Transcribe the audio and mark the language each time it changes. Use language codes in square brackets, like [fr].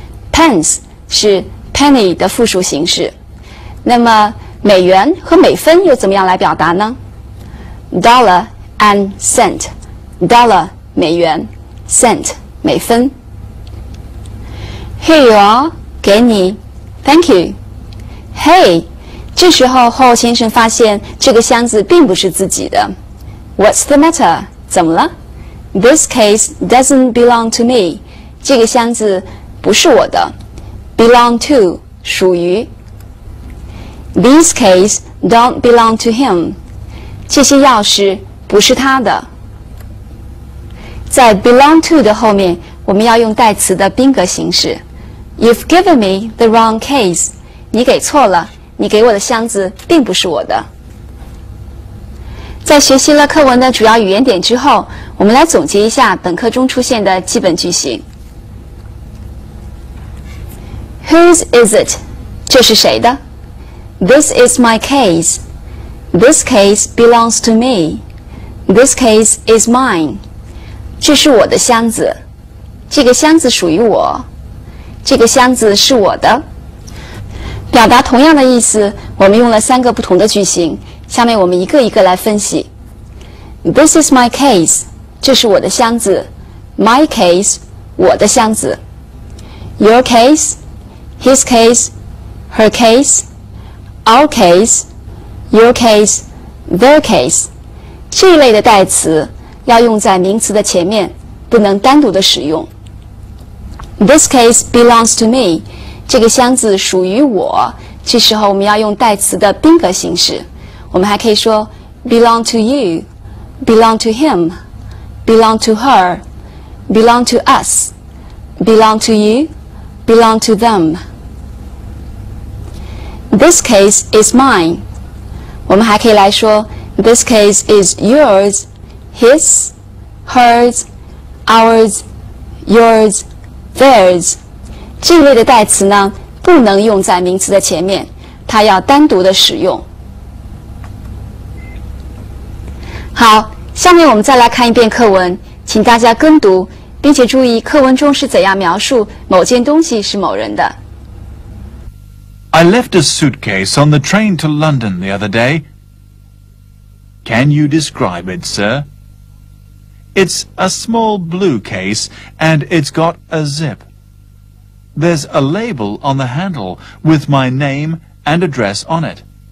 [zh] Pence 是 penny 的复数形式。那么美元和美分又怎么样来表达呢 ？ [en] Dollar and cent， [zh] dollar 美元 ，cent 美分。 [en] Here you are， [zh] 给你 [en] ，Thank you。 Hey。 [zh] 这时候霍先生发现这个箱子并不是自己的。 [en] What's the matter? [zh] 怎么了 [en] ?This case doesn't belong to me. [zh] 这个箱子不是我的。 [en] Belong to, [zh] 属于。 [en] These keys don't belong to him. [zh] 这些钥匙不是他的。在 belong to 的后面，我们要用代词的宾格形式。 [en] You've given me the wrong case. [zh] 你给错了。你给我的箱子并不是我的。在学习了课文的主要语言点之后，我们来总结一下本课中出现的基本句型。 [en] Whose is it? [zh] 这是谁的？ [en] This is my case. This case belongs to me. This case is mine. [zh] 这是我的箱子。这个箱子属于我。这个箱子是我的。表达同样的意思，我们用了3个不同的句型，下面我们一个一个来分析。 [en] This is my case， [zh] 这是我的箱子。 [en] My case， [zh] 我的箱子。 [en] Your case， his case， her case， our case， your case， their case， [zh] 这一类的代词要用在名词的前面，不能单独的使用。 [en] This case belongs to me， [zh] 这个箱子属于我，这时候我们要用代词的宾格形式。我们还可以说 [en] belong to you, belong to him, belong to her, belong to us, belong to you, belong to them. This case is mine. [zh] 我们还可以来说 [en] this case is yours, his, hers, ours, yours, theirs. [zh] 这一类的代词呢，不能用在名词的前面，它要单独的使用。好，下面我们再来看一遍课文，请大家跟读，并且注意课文中是怎样描述某件东西是某人的。 [en] I left a suitcase on the train to London the other day. Can you describe it, sir? It's a small blue case and it's got a zip. There's a label on the handle with my name and address on it.